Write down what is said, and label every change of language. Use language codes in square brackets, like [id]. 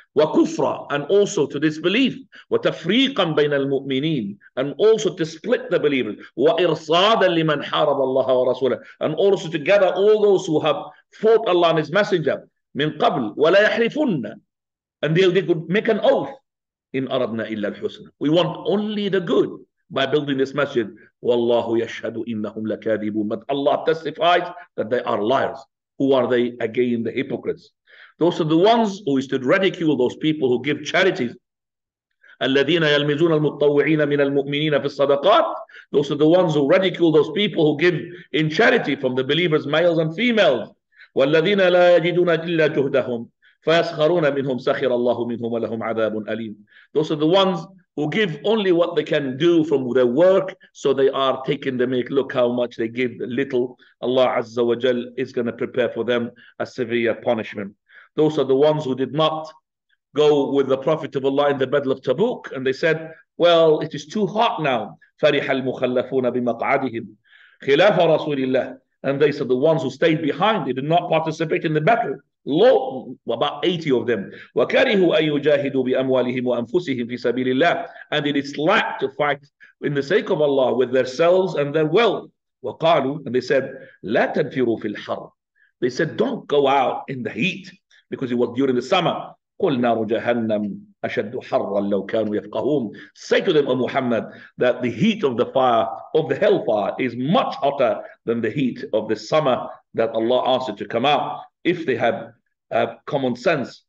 [ar] وكفرة, [en] and also to disbelief. [ar] وتفريقا بين المؤمنين, [en] and also to split the believers. [ar] وإرصادا لمن حارب الله ورسوله, [en] and also to gather all those who have fought Allah and His Messenger [ar] من قبل. ولا يحلفن, [en] and they could make an oath. [ar] إن أردنا إلا الحسنى. [en] We want only the good by building this masjid. [ar] والله يشهد إنهم لكاذبون. [en] But Allah testifies that they are liars. Who are they? Again, the hypocrites. Those are the ones who used to ridicule those people who give charities. [ar] الَّذِينَ يَلْمِزُونَ الْمُطَّوِّعِينَ مِنَ الْمُؤْمِنِينَ فِي الصَّدَقَاتِ. [en] Those are the ones who ridicule those people who give in charity from the believers, males and females. [ar] وَالَّذِينَ لَا يَجِدُونَ إِلَّا جُهْدَهُمْ فَيَسْخَرُونَ مِنْهُمْ سَخِرَ اللَّهُ مِنْهُمْ وَلَهُمْ عَذَابٌ أَلِيمٌ. [en] Those are the ones who give only what they can do from their work, so they are taking the make. Look how much they give, little. Allah Azza wa Jal is going to prepare for them a severe punishment. Those are the ones who did not go with the Prophet of Allah in the Battle of Tabuk. And they said, well, it is too hot now. [ar] فَرِحَ الْمُخَلَّفُونَ بِمَقْعَدِهِمْ خِلَافَ رَسُولِ اللَّهِ. [en] And they said, the ones who stayed behind, they did not participate in the battle. About 80 of them. [ar] وَكَرِهُ أَن يُجَاهِدُوا بِأَمْوَالِهِمْ وَأَنفُسِهِمْ فِي سَبِيلِ اللَّهِ. [en] And they disliked to fight in the sake of Allah with their selves and their wealth. [ar] وَقَالُوا. [en] And they said, [ar] لَا تَنْفِرُوا فِي الْحَرَّ. [en] They said, don't go out in the heat, because it was during the summer. [ar] قُلْ نَارُ جَهَنَّمْ أَشَدُّ حَرًّا لَوْ كَانُوا يَفْقَهُمْ. [en] Say to them, O Muhammad, that the heat of the fire, of the hellfire, is much hotter than the heat of the summer that Allah asked it to come out, if they have common sense.